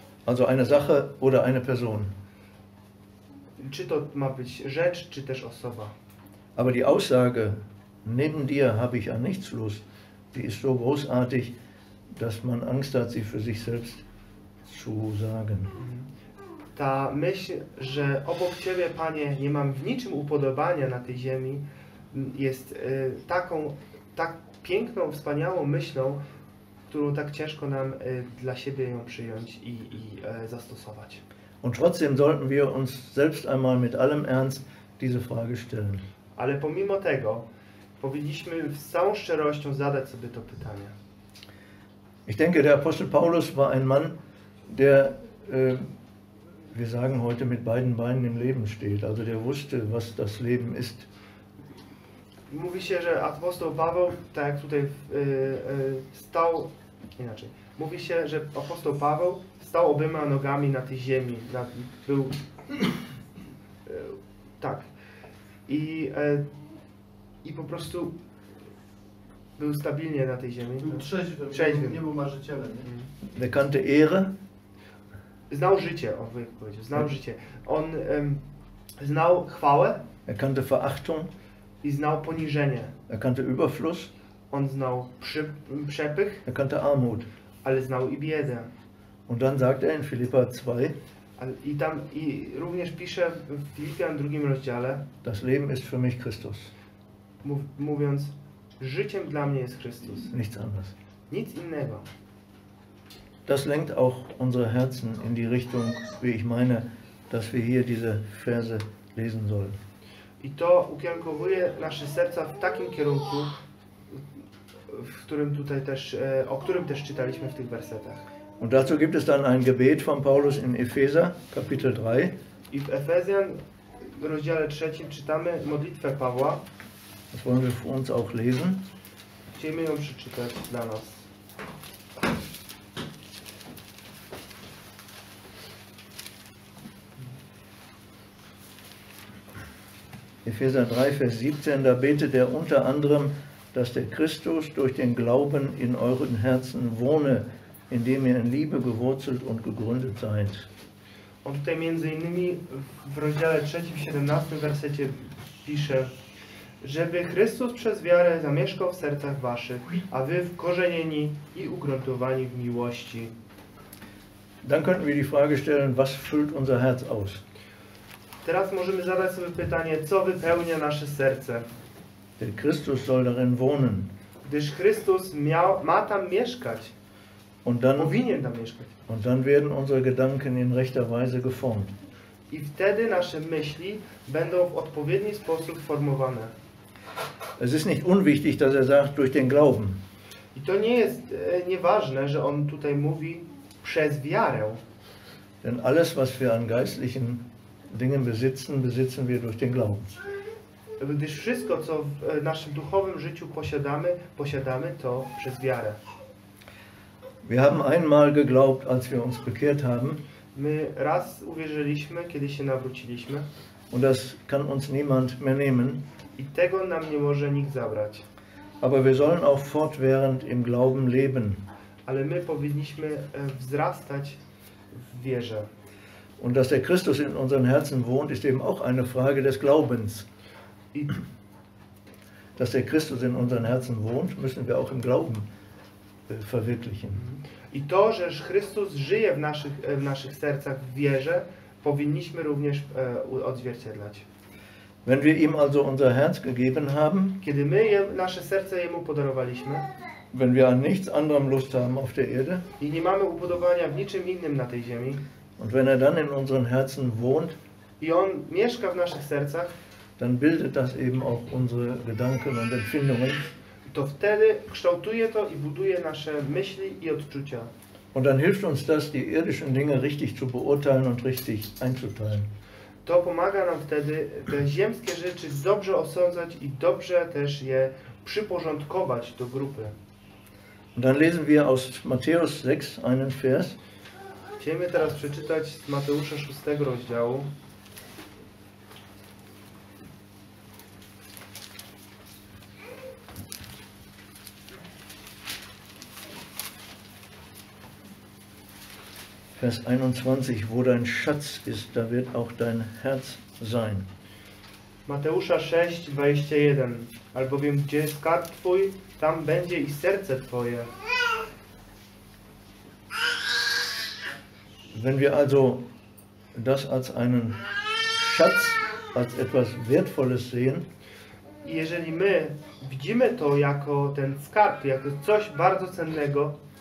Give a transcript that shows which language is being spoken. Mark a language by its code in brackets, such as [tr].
[de] Also eine Sache oder eine Person. [pl] Czy to ma być rzecz, czy też osoba. [de] Aber die Aussage, neben dir habe ich an nichts Lust, die ist so großartig, dass man Angst hat, sie für sich selbst zu sagen. [pl] Ta myśl, że obok Ciebie, Panie, nie mam w niczym upodobania na tej ziemi, jest taką, tak piękną, wspaniałą myślą, którą tak ciężko nam dla siebie ją przyjąć i zastosować. [de] Und trotzdem sollten wir uns selbst einmal mit allem Ernst diese Frage stellen. [pl] Ale pomimo tego, powinniśmy z całą szczerością zadać sobie to pytanie. [de] Ich denke, der Apostel Paulus war ein Mann, der, wir sagen heute, mit beiden Beinen im Leben steht. Also der wusste, was das Leben ist. [pl] Mówi się, że apostoł Paweł, tak jak tutaj stał, inaczej, mówi się, że apostoł Paweł stał obyma nogami na tej ziemi, był, tak, i po prostu był stabilnie na tej ziemi. Był trzeźwym. Nie był marzycielem. [de] Der kannte Ehre. [pl] Znał życie, on powiedział, znał życie. On znał chwałę. [de] Er kannte Verachtung. [pl] I znał poniżenie. [de] Er kannte Überfluss. [pl] On znał przepych. [de] Er kannte Armut. [pl] Ale znał i biedę. [de] Und dann sagt er in Philippa 2. [pl] I tam i również pisze w Filipian 2 rozdziale. [de] Das Leben ist für mich Christus. [pl] Mówiąc, życiem dla mnie jest Chrystus. [de] Nichts anderes. [pl] Nic innego. [de] Das lenkt auch unsere Herzen in die Richtung, wie ich meine, dass wir hier diese Verse lesen sollen. [pl] I to ukierunkowuje nasze serca w takim kierunku, w którym tutaj też, o którym też czytaliśmy w tych wersetach. [de] Und dazu gibt es dann ein Gebet von Paulus in Epheser, Kapitel 3. [pl] I w Efezjan, w rozdziale 3, czytamy modlitwę Pawła. [de] Das wollen wir für uns auch lesen. [pl] Chcemy ją przeczytać dla nas. [de] Epheser 3, Vers 17, da betet er unter anderem, dass der Christus durch den Glauben in euren Herzen wohne, indem ihr in Liebe gewurzelt und gegründet seid. Und [pl] tutaj między innymi w rozdziale 3, 17 wersecie pisze, żeby Chrystus przez wiarę zamieszkał w sercach waszych, a wy wkorzenieni i ugruntowani w miłości. [de] Dann könnten wir die Frage stellen, was füllt unser Herz aus? [pl] Teraz możemy zadać sobie pytanie, co wypełnia nasze serce? [de] Der Christus soll darin wohnen. [pl] Gdyż Chrystus ma tam mieszkać. [de] Und dann, [pl] powinien tam mieszkać. [de] Und dann werden unsere Gedanken in rechter Weise geformt. [pl] I wtedy nasze myśli będą w odpowiedni sposób formowane. [de] Es ist nicht unwichtig, dass er sagt, durch den Glauben. [pl] I to nie jest nieważne, że on tutaj mówi przez wiarę. [de] Denn alles, was wir an geistlichen Dingen besitzen, besitzen wir durch den Glauben. [pl] Gdyż wszystko, co w naszym duchowym życiu posiadamy, posiadamy to przez wiarę. [de] Wir haben einmal geglaubt, als wir uns bekehrt haben. [pl] My raz uwierzyliśmy, kiedy się nawróciliśmy. [de] Und das kann uns niemand mehr nehmen. [pl] I tego nam nie może nikt zabrać. [de] Aber wir sollen auch fortwährend im Glauben leben. [pl] Ale my powinniśmy wzrastać w wierze. [de] Und dass der Christus in unseren Herzen wohnt, ist eben auch eine Frage des Glaubens. Dass der Christus in unseren Herzen wohnt, müssen wir auch im Glauben verwirklichen. [pl] I to, że Chrystus żyje w naszych sercach w wierze, powinniśmy również odzwierciedlać. [de] Wenn wir ihm also unser Herz gegeben haben, [pl] kiedy my nasze serce jemu podarowaliśmy, [de] wenn wir an nichts anderem Lust haben auf der Erde, [pl] i nie mamy upodobania w niczym innym na tej ziemi, [de] und wenn er dann in unseren Herzen wohnt, [pl] i on mieszka w naszych sercach, [de] dann bildet das eben auch unsere Gedanken und Empfindungen. [pl] To wtedy kształtuje to i buduje nasze myśli i odczucia. [de] Und dann hilft uns das, die irdischen Dinge richtig zu beurteilen und richtig einzuteilen. [pl] To pomaga nam wtedy te ziemskie rzeczy dobrze osądzać i dobrze też je przyporządkować do grupy. [de] Und dann lesen wir aus Matthäus 6 einen Vers. [pl] Chcemy teraz przeczytać z Mateusza 6 rozdziału. [de] Vers 21, wo dein Schatz ist, da wird auch dein Herz sein. [pl] Mateusza 6:21. Albowiem gdzie jest skarb twój, tam będzie i serce twoje. [de] Wenn wir also das als einen Schatz, als etwas Wertvolles sehen, [pl] jeżeli my widzimy to jako ten skarb, jako coś bardzo cennego,